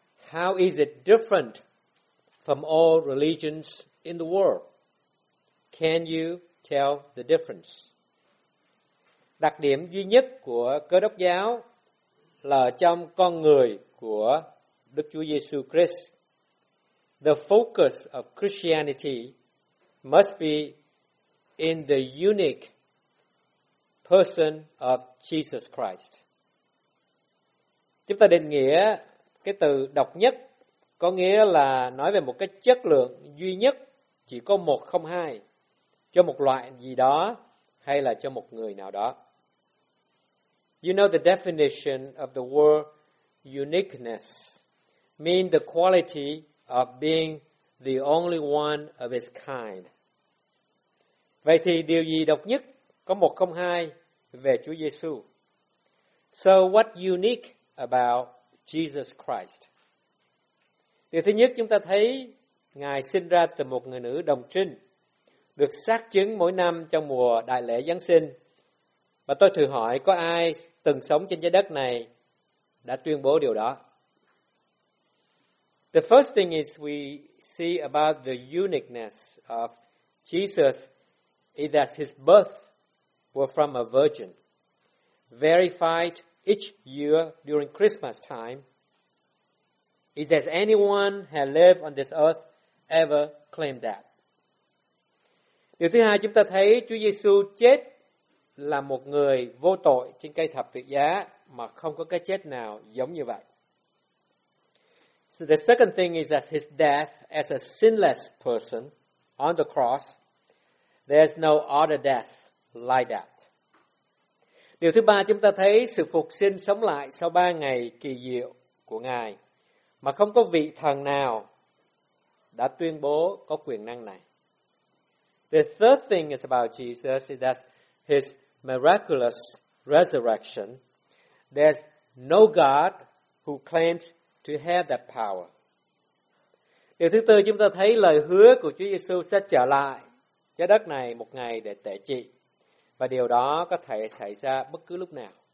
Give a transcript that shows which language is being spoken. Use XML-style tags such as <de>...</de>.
<en>How is it different from all religions in the world? Can you tell the difference?</en> <vi>Đặc điểm duy nhất của Cơ Đốc giáo là trong con người của Đức Chúa Giêsu Christ.</vi> <en>The focus of Christianity must be in the unique person of Jesus Christ.</en> <vi>Chúng ta định nghĩa cái từ độc nhất, có nghĩa là nói về một cái chất lượng duy nhất, chỉ có một không hai, cho một loại gì đó hay là cho một người nào đó.</vi> <en>You know the definition of the word uniqueness, mean the quality of being the only one of its kind.</en> <vi>Vậy thì điều gì độc nhất, có một không hai về Chúa Giêsu?</vi> <en>So what unique about Jesus Christ?</en> <vi>Điều thứ nhất, chúng ta thấy Ngài sinh ra từ một người nữ đồng trinh, được xác chứng mỗi năm trong mùa đại lễ Giáng sinh. Và tôi thử hỏi, có ai từng sống trên trái đất này đã tuyên bố điều đó?</vi> <en>The first thing is we see about the uniqueness of Jesus is that his birth were from a virgin, verified each year during Christmas time. Is there anyone who lived on this earth ever claimed that?</en> <vi>Điều thứ hai, chúng ta thấy Chúa Giêsu chết là một người vô tội trên cây thập tự giá mà không có cái chết nào giống như vậy.</vi> <en>So the second thing is that his death as a sinless person on the cross, there's no other death like that.</en> <vi>Điều thứ ba, chúng ta thấy sự phục sinh sống lại sau ba ngày kỳ diệu của Ngài mà không có vị thần nào đã tuyên bố có quyền năng này.</vi> <en>The third thing is about Jesus is that his miraculous resurrection. There's no God who claims to have that power.</en> <vi>Điều thứ tư, chúng ta thấy lời hứa của Chúa Giêsu sẽ trở lại trái đất này một ngày để tể trị, và điều đó có thể xảy ra bất cứ lúc nào.</vi>